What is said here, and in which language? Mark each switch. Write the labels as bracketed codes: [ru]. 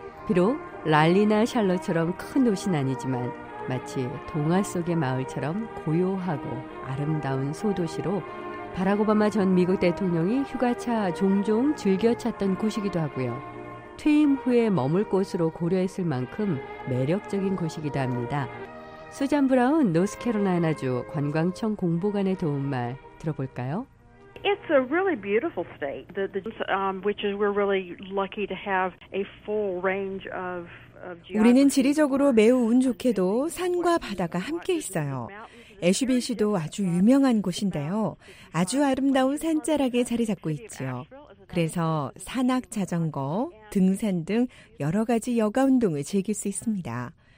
[ko] 비록 랄리나 샬롯처럼 큰 도시는 아니지만 마치 동화 속의 마을처럼 고요하고 아름다운 소도시로 바락 오바마 전 미국 대통령이 휴가차 종종 즐겨 찾던 곳이기도 하고요. 퇴임 후에 머물 곳으로 고려했을 만큼 매력적인 곳이기도 합니다. 수잔 브라운 노스캐롤라이나주 관광청 공보관의 도움말 들어볼까요? [en] It's a really beautiful state. Which is we're really lucky to have a full range of [ko] 우리는 지리적으로 매우 운 좋게도 산과 바다가 함께 있어요. 애쉬빌시도 아주 유명한 곳인데요. 아주 아름다운 산자락에 자리 잡고 있지요. 그래서 산악 자전거, 등산 등 여러 가지 여가 운동을 즐길 수 있습니다.